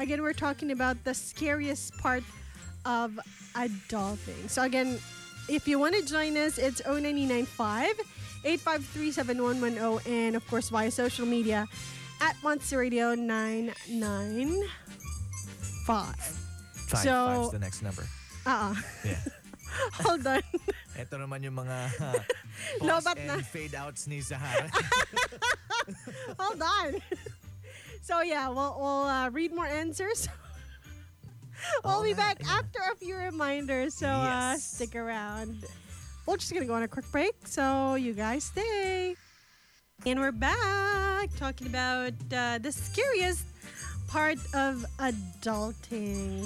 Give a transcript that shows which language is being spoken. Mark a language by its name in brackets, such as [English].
[English] Again, we're talking about the scariest part of adulting. So again, if you want to join us, it's 0995-853-7110 and of course via social media at Monster Radio 995. So, five's the next number. Yeah. Hold on. [Filipino] Ito naman yung mga pause and na. Fade outs ni Zahara. [English] Hold on. So yeah, we'll read more answers. We'll be back after a few reminders. So stick around. We're just going to go on a quick break. So you guys stay. And we're back talking about the scariest part of adulting.